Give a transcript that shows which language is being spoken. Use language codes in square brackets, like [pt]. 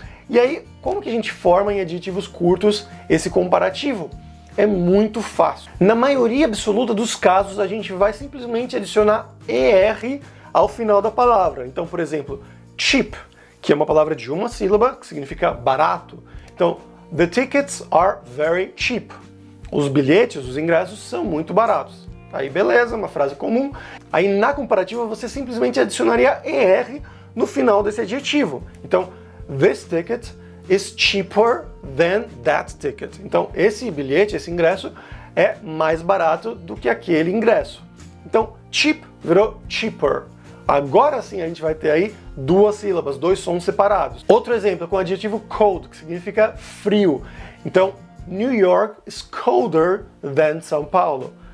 [pt] E aí, como que a gente forma em adjetivos curtos esse comparativo? É muito fácil. Na maioria absoluta dos casos, a gente vai simplesmente adicionar ER ao final da palavra. Então, por exemplo, cheap, que é uma palavra de uma sílaba, que significa barato. [en] Então, the tickets are very cheap. [pt] Os bilhetes, os ingressos, são muito baratos. Aí, beleza, uma frase comum. Aí, na comparativa, você simplesmente adicionaria ER no final desse adjetivo. [en] Então, this ticket is cheaper than that ticket. [pt] Então, esse bilhete, esse ingresso, é mais barato do que aquele ingresso. Então, cheap virou cheaper. Agora sim a gente vai ter aí duas sílabas, dois sons separados. Outro exemplo é com o adjetivo cold, que significa frio. Então, [en] New York is colder than São Paulo.